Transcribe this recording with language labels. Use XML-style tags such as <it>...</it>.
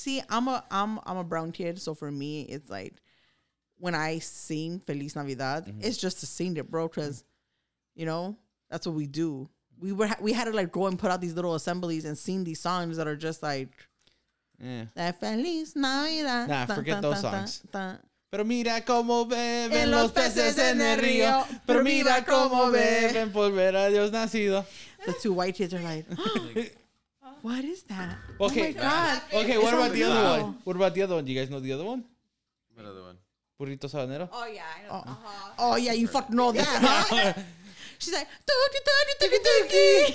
<en>See, I'm a brown kid, so for me, it's like when I sing Feliz Navidad, it's just to sing it, bro. Because you know that's what we do. We had to like go and put out these little assemblies and sing these songs that are just like, yeah.</en> <es>Feliz Navidad.</es> <en>Nah, forget those songs.</en> <es>Pero mira cómo beben los peces en el río. Pero mira cómo beben por ver a Dios nacido.</es> <en>The two white kids are like, what is that? Okay. Oh my God. Okay, what about the other one? What about the other one? You guys know the other one? What other one?</en> <es>Burrito Sabanero?</es> <en>Oh, yeah. Oh, yeah, you fucking know that, huh? She's like, tuki, tuki, tuki, tuki.</en>